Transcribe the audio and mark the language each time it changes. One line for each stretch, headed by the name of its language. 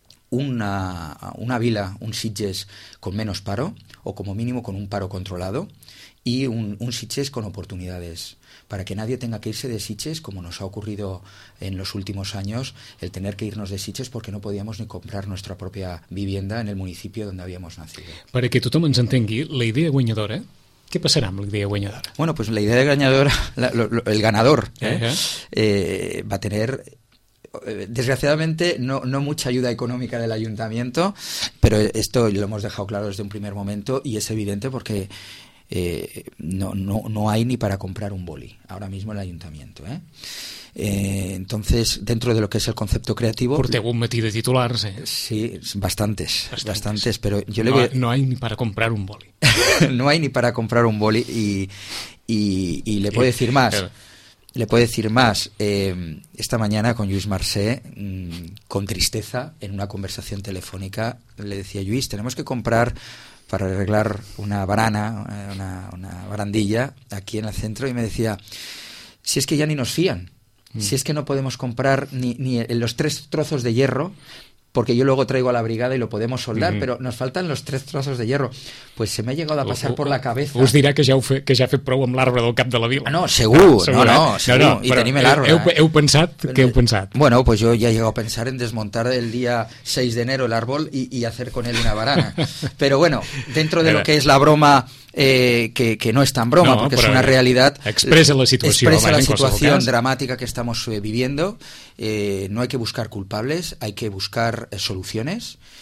Spanish: una vila, un Sitges con menos paro, o como mínimo con un paro controlado, y un Sitges con oportunidades, para que nadie tenga que irse de Sitges, como nos ha ocurrido en los últimos años, el tener que irnos de Sitges porque no podíamos ni comprar nuestra propia vivienda en el municipio donde habíamos nacido. Para que
Catalan: tothom ens entengui, la idea guanyadora,
Spanish: ¿qué pasará
Catalan: amb la idea guanyadora?
Spanish: Bueno, pues
Catalan: la idea guanyadora,
Spanish: el ganador, va a tener, desgraciadamente, no mucha ayuda económica del ayuntamiento, pero esto lo hemos dejado claro desde un primer momento, y es evidente porque no hay ni para comprar un boli ahora mismo en el ayuntamiento, entonces, dentro de lo que es el concepto creativo,
Catalan: porteu un matí de titulars,
Spanish: sí, bastantes, pero yo no, le voy a... No hay ni para comprar un boli. No hay ni para comprar un boli, y le puedo decir más. Le puedo decir más, esta mañana con Lluís Marcé, con tristeza, en una conversación telefónica, le decía: Lluís, tenemos que comprar para arreglar una barana, una barandilla aquí en el centro. Y me decía: si es que ya ni nos fían, si es que no podemos comprar ni los tres trozos de hierro porque yo luego traigo a la brigada y lo podemos soldar, mm-hmm. pero nos faltan los tres trozos de hierro. Pues se me ha llegado a pasar por la cabeza.
Catalan: Us dirà que ja ha fet prou amb l'arbre del cap de la vila. No, segur, i tenim l'arbre. Heu pensat? Què heu pensat?
Spanish: Bueno, pues yo ya he llegado a pensar en desmontar el día 6 de enero el árbol y hacer con él una barana. Pero bueno, dentro de lo que es la broma, que no es tan broma, porque es una realidad. Expresa la situación dramática que estamos viviendo. No hay que buscar culpables, hay que buscar soluciones.